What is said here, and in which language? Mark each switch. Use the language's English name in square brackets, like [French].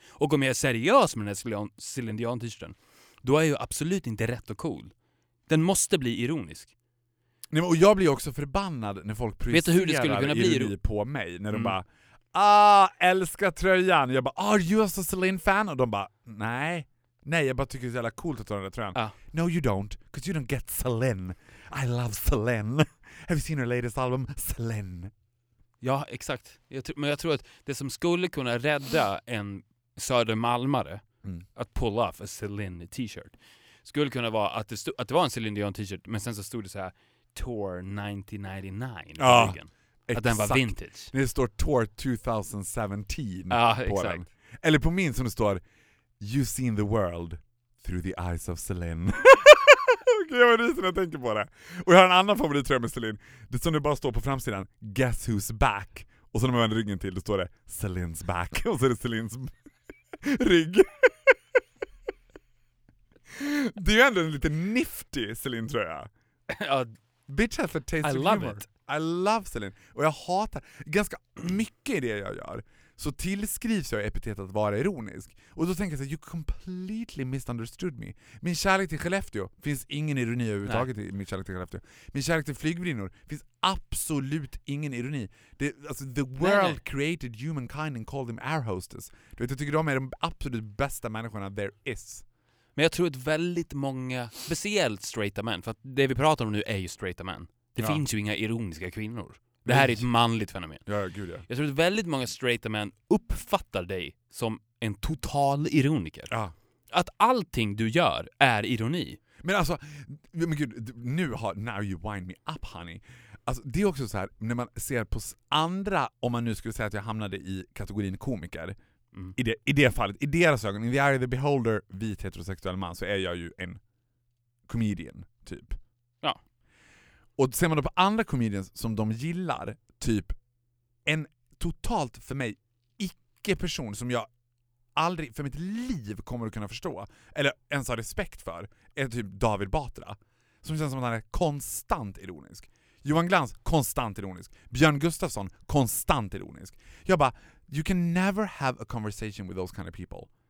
[Swedish] Och om jag är seriös med den här Céline Dion-t-shirten, då är jag ju absolut inte rätt och cool. Den måste bli ironisk. Nej, men, och jag blir också förbannad när folk projicerar ironi på mig. När de bara, älskar tröjan. Jag bara, [English] are you a Céline fan? [Swedish] Och de bara, nej. Nej, jag bara tycker det är jävla coolt att ta den där tröjan. [English] No you don't, because you don't get Céline. I love Céline. Have you seen her latest album? Céline. [Swedish] Ja, exakt. Men jag tror att det som skulle kunna rädda en södermalmare att [English] pull off a Céline t-shirt [Swedish] skulle kunna vara att det, att det var en Céline Dion t-shirt, men sen så stod det så här Tour 1999. Att den var vintage. Det står Tour 2017 på den. Eller på min som det står [English] You've seen the world through the eyes of Céline. [Swedish] Jag var rysen när jag tänker på det. Och jag har en annan favorittröja med Céline. Det som nu bara står på framsidan. [English] Guess who's back? [Swedish] Och så när man vänder ryggen till, då står det Céline's back. Och så är det Céline's rygg. Det är ju ändå en lite nifty Céline-tröja. [English] Bitch has a taste of humor. I love it. I love Céline. [Swedish] Och jag hatar ganska mycket i det jag gör. Så tillskrivs jag epitetet att vara ironisk. Och då tänker jag så, [English] you completely misunderstood me. [Swedish] Min kärlek till Skellefteå, finns ingen ironi överhuvudtaget. Nej. I min kärlek till Skellefteå. Min kärlek till flygbrinnor, finns absolut ingen ironi. Det, alltså, [English] the world created humankind and called them air hostess. [Swedish] Du vet, jag tycker de är de absolut bästa människorna [English] there is. [Swedish] Men jag tror att väldigt många, speciellt straighta män, för att det vi pratar om nu är ju straighta män. Det finns ju inga ironiska kvinnor. Det här är ett manligt fenomen. Ja, gud ja. Jag tror att väldigt många straighta män uppfattar dig som en total ironiker. Ja. Att allting du gör är ironi. Men alltså, men gud, nu har, [English] now you wind me up honey. [Swedish] Alltså, det är också så här, när man ser på andra, om man nu skulle säga att jag hamnade i kategorin komiker. I det fallet, i deras ögon, [English] in the eye of the beholder, [Swedish] vit heterosexuell man, så är jag ju en comedian typ. Och ser man då på andra comedians som de gillar, typ en totalt för mig icke-person som jag aldrig för mitt liv kommer att kunna förstå eller ens ha respekt för, är typ David Batra. Som känns som att han är konstant ironisk. Johan Glans, konstant ironisk. Björn Gustafsson, konstant ironisk. Jag bara, [English] you can never have a conversation with those kind of people.